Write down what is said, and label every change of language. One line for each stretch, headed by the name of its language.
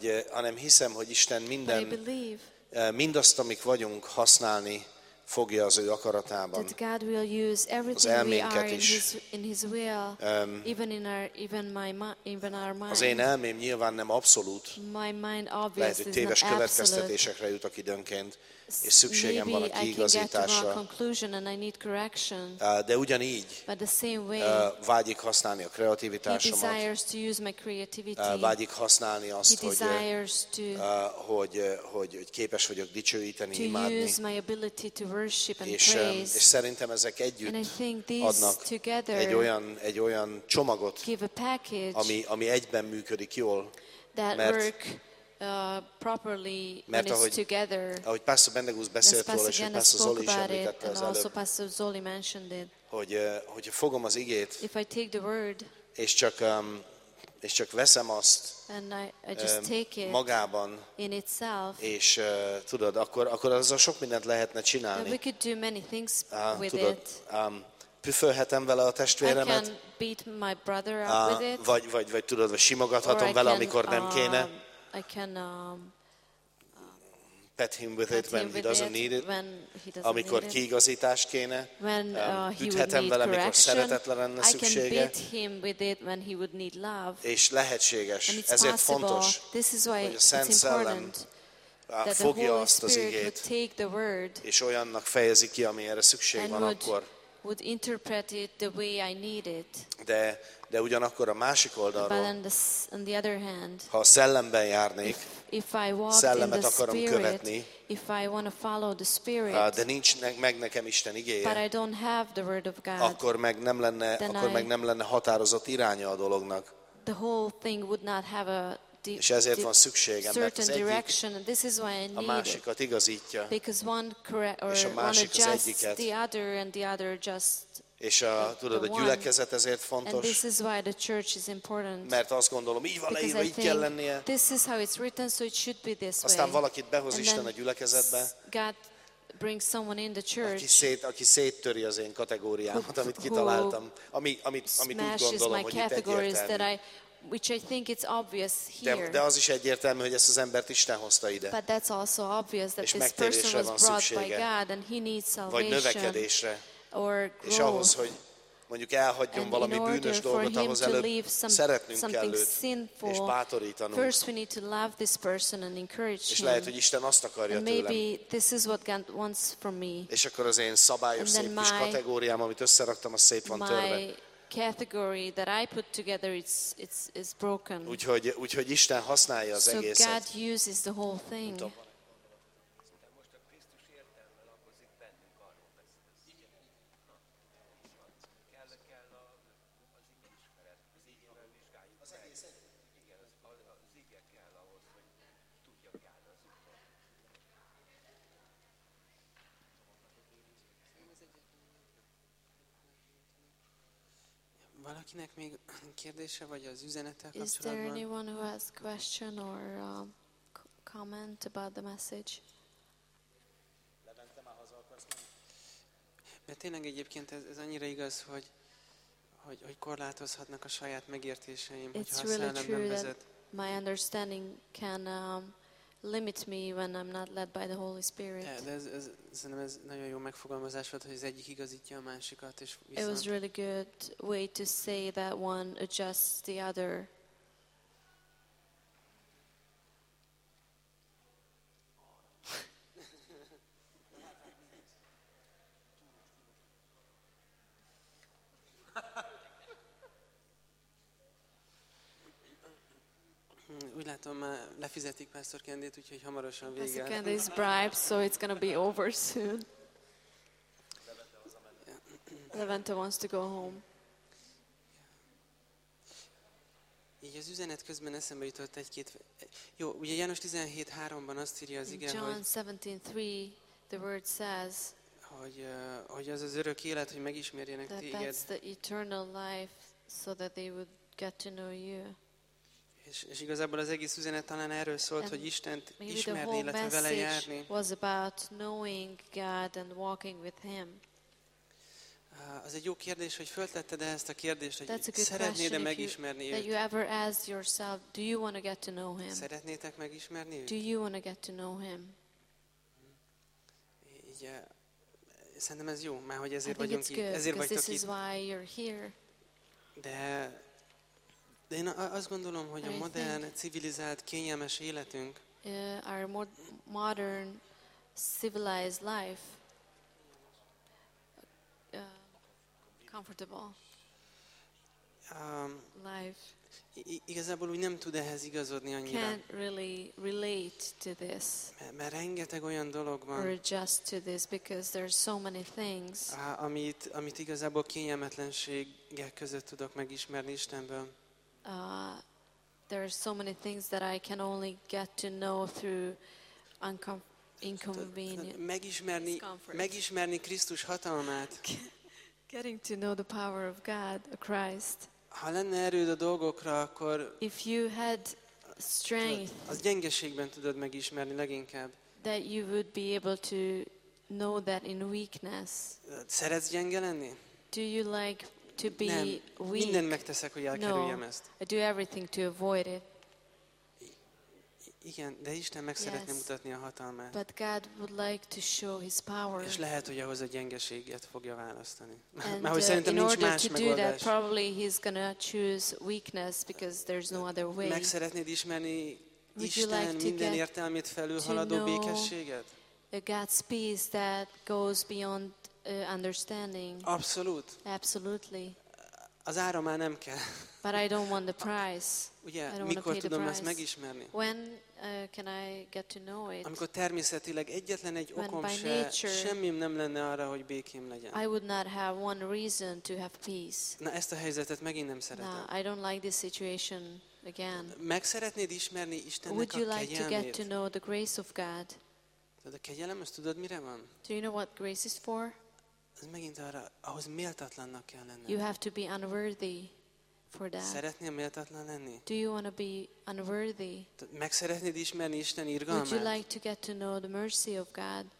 Hungarian: Hanem hiszem, hogy Isten minden mindazt, amik vagyunk, használni fogja az ő akaratában.
English: That God will use everything
Hungarian: az elménket
English: we are is. In his will, even our mind.
Hungarian: Az én elmém nyilván nem abszolút.
English: My mind obviously
Hungarian: lehet, hogy téves következtetésekre jutok időnként, és szükségem
English: maybe
Hungarian: van a kiigazításra.
English: I can get to wrong conclusion and I need correction.
Hungarian: De ugyanígy
English: but the same way,
Hungarian: vágyik használni a kreativitásomat.
English: He desires to use my creativity.
Hungarian: Vágyik használni azt,
English: he desires to,
Hungarian: hogy képes vagyok dicsőíteni,
English: to
Hungarian: imádni.
English: Use my ability to worship and
Hungarian: és,
English: praise.
Hungarian: És szerintem ezek együtt
English: and I think these
Hungarian: adnak
English: together
Hungarian: egy olyan csomagot,
English: give a package,
Hungarian: ami egyben működik jól,
English: that
Hungarian: mert
English: work properly
Hungarian: mert
English: when it's together.
Hungarian: Ahogy Pastor Bendegúz beszélt róla, és Pastor Zoli is említette
English: az előbb, Pastor Zoli mentioned it,
Hungarian: hogy fogom az igét,
English: if I take the word,
Hungarian: és csak veszem azt
English: and I just take it
Hungarian: magában,
English: in itself,
Hungarian: és tudod, akkor azzal sok mindent lehetne csinálni.
English: We could do many things with
Hungarian: tudod,
English: it.
Hungarian: Püfölhetem vele a testvéremet,
English: beat my brother up
Hungarian: vagy tudod, vagy simogathatom vele, amikor nem kéne.
English: I can pet him with it when he doesn't need it. When he doesn't
Hungarian: amikor
English: need
Hungarian: kiigazítás
English: it.
Hungarian: Kéne,
English: when he would need
Hungarian: vele,
English: correction,
Hungarian: szeretetlen lenne
English: I
Hungarian: szüksége.
English: Can beat him with it when he would need love.
Hungarian: És lehetséges.
English: And it's
Hungarian: ezért fontos,
English: this is why
Hungarian: hogy a Szent
English: it's
Hungarian: Szellem
English: that
Hungarian: fogja
English: the Holy
Hungarian: azt az igét,
English: take the word,
Hungarian: és olyannak fejezi ki, ami erre szükség van akkor.
English: Would interpret it the way I need it.
Hungarian: De ugyanakkor a másik oldalról,
English: but on the other hand,
Hungarian: ha a szellemben járnék,
English: if I
Hungarian: szellemet
English: in
Hungarian: akarom
English: spirit,
Hungarian: követni,
English: if I want to follow the spirit,
Hungarian: de nincs meg nekem Isten igéje,
English: but I don't have the word of God,
Hungarian: akkor meg nem lenne határozott iránya a dolognak.
English: The whole thing would not have a
Hungarian: és ezért van szükségem, mert az egyik a másikat igazítja, és a másik az egyiket.
English: The other and the other just
Hungarian: és a, tudod, a gyülekezet ezért fontos,
English: and this is why the church is important.
Hungarian: Mert azt gondolom, így van leírva, így kell lennie.
English: This is how it's written, so it should be this way.
Hungarian: Aztán valakit behoz Isten a gyülekezetbe,
English: God brings someone in the church,
Hungarian: aki széttöri az én kategóriámat, amit kitaláltam, amit úgy gondolom, hogy itt egyértelmű.
English: Which I think it's obvious here.
Hungarian: De az is egyértelmű, hogy ezt az embert Isten hozta ide.
English: But that's also obvious that this person was brought by God and he needs salvation.
Hungarian: Vagy növekedésre.
English: Or
Hungarian: és ahhoz, hogy mondjuk elhagyjon valami bűnös dolgot, ahhoz előbb szeretnünk kell őt, és bátorítanunk.
English: First we need to love this person and encourage him.
Hungarian: És lehet, hogy Isten azt akarja tőlem.
English: Maybe this is what God wants from me.
Hungarian: És akkor az én szabályos szép kis kategóriám, amit összeraktam, az szép van törve.
English: Category that I put together it's broken.
Hungarian: Úgyhogy Isten használja az
English: so
Hungarian: egészet.
English: So God uses the whole thing.
Hungarian: Valakinek még kérdése vagy az üzenettel kapcsolatban?
English: Is there anyone who has question or comment about the message?
Hungarian: Mert tényleg egyébként ez annyira igaz, hogy korlátozhatnak a saját megértéseim,
English: it's
Hungarian: hogyha
English: really
Hungarian: a szellem nem vezet.
English: My understanding can limit me when I'm not led by the Holy Spirit.
Hungarian: Ez nagyon jó megfogalmazás volt, hogy az egyik igazítja a másikat, és viszont
English: it was really good way to say that one adjusts the other.
Hungarian: Úgy látom, lefizetik Pastor Kendit, úgyhogy hamarosan vége.
English: Pastor Kendit is bribed, so it's gonna be over soon. Levente wants to go home.
Hungarian: Így az üzenet közben eszembe jutott egy-két. Jó, ugye János 17:3-ban azt írja az ige,
English: John 17:3, the word says,
Hungarian: hogy az az örök élet, hogy megismerjenek
English: that
Hungarian: téged.
English: That's the eternal life, so that they would get to know you.
Hungarian: És igazából az egész üzenet talán erről szólt,
English: and
Hungarian: hogy Istent ismerni, illetve vele járni.
English: Was about knowing God and walking with him.
Hungarian: Az egy jó kérdés, hogy föltetted ezt a kérdést, hogy szeretnéd-e megismerni őt?
English: That you ever asked yourself, do you want to get to know him?
Hungarian: Szeretnétek megismerni őt?
English: Do you want to get to know him?
Hungarian: Szerintem ez jó, mert hogy ezért vagyunk itt. Ezért vagytok itt.
English: This is why you're here.
Hungarian: De én azt gondolom, hogy a modern, civilizált, kényelmes életünk
English: our modern, civilized life comfortable life
Hungarian: igazából úgy nem tud ehhez igazodni annyira.
English: Can't really relate to this.
Hungarian: Mert rengeteg olyan dolog van.
English: Or adjust to this because there are so many things.
Hungarian: Amit igazából kényelmetlenséggel között tudok megismerni Istenből.
English: There are so many things that I can only get to know through inconvenience.
Hungarian: Megismerni Krisztus hatalmát.
English: Getting to know the power of God, Christ.
Hungarian: Ha lenne erőd a dolgokra, akkor
English: if you had strength,
Hungarian: az gyengeségben tudod megismerni leginkább.
English: That you would be able to know that in weakness.
Hungarian: Szeretsz gyenge lenni?
English: Do you like to be
Hungarian: nem,
English: weak.
Hungarian: Minden megteszek, hogy elkerüljem
English: no,
Hungarian: ezt.
English: I do everything to avoid it.
Hungarian: Igen, de Isten meg szeretné mutatni a hatalmát.
English: But God would like to show his power.
Hungarian: És lehet, hogy ahhoz a gyengeséget fogja választani. Mert hogy szerintem nincs más megoldás.
English: That, probably he's gonna choose weakness because there's no other way.
Hungarian: Meg szeretnéd ismerni Isten like minden értelmét felülhaladó békességet?
English: God's peace that goes beyond understanding.
Hungarian: Abszolút.
English: Absolutely.
Hungarian: Az ára már nem kell.
English: But I don't want the price.
Hungarian: Ugye,
English: I don't
Hungarian: mikor tudom ezt megismerni?
English: When can I get to know it?
Hungarian: Amikor természetileg egyetlen egy okom se, semmim nem lenne arra, hogy békém legyen.
English: I would not have one reason to have peace.
Hungarian: Na, ezt a helyzetet megint nem szeretem.
English: Now, I don't like this situation again.
Hungarian: Meg szeretnéd ismerni Istennek a kegyelmét?
English: Would you like to get to know the grace of God?
Hungarian: De a kegyelem, ezt tudod, mire van?
English: Do you know what grace is for?
Hungarian: Ez megint arra, ahhoz méltatlannak kell lenni.
English: You have to be unworthy for that.
Hungarian: Szeretnél méltatlan lenni?
English: Do you want to be unworthy?
Hungarian: Meg szeretnéd ismerni Isten irgalmát?
English: Would you like to get to know the mercy of God?